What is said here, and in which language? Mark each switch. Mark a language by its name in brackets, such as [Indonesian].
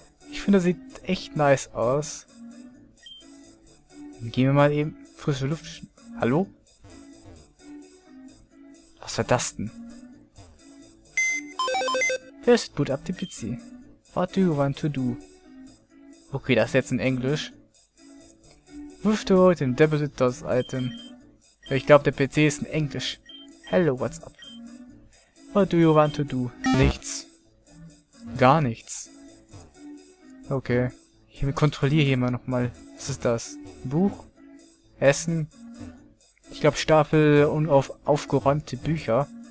[German] Ich finde, das sieht echt nice aus. Dann gehen wir mal eben frische Luft. Hallo? Was war das denn? [English] First boot up the PC. What do you want to do? [German] Okay, das ist jetzt in Englisch. [English] Move toward and deposit those item. [German] Ich glaube, der PC ist in Englisch. [English] Hello, what's up? What do you want to do? [German] Nichts. Gar nichts. Okay. Ich kontrolliere hier mal nochmal. Was ist das? Buch? Essen? Ich glaube, Stapel und aufgeräumte Bücher.